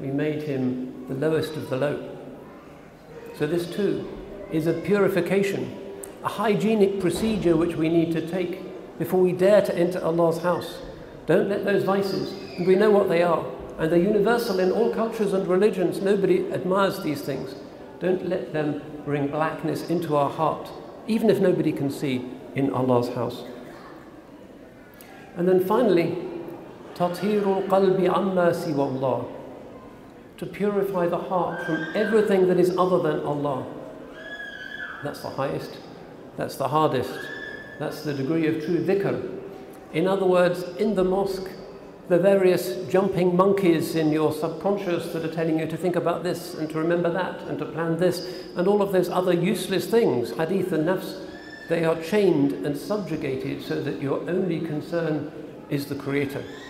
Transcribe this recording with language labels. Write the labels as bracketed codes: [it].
[en] We made him the lowest of the low. So this too is a purification, a hygienic procedure which we need to take before we dare to enter Allah's house. Don't let those vices, and we know what they are, and they're universal in all cultures and religions, nobody admires these things. Don't let them bring blackness into our heart, even if nobody can see in Allah's house. [ar] And then finally, تَطْهِيرُ الْقَلْبِ عَمَّا سِوَى اللَّهِ. [en] To purify the heart from everything that is other than Allah. That's the highest, that's the hardest, that's the degree of true dhikr. In other words, in the mosque, the various jumping monkeys in your subconscious that are telling you to think about this and to remember that and to plan this and all of those other useless things, hadith and nafs, they are chained and subjugated so that your only concern is the Creator.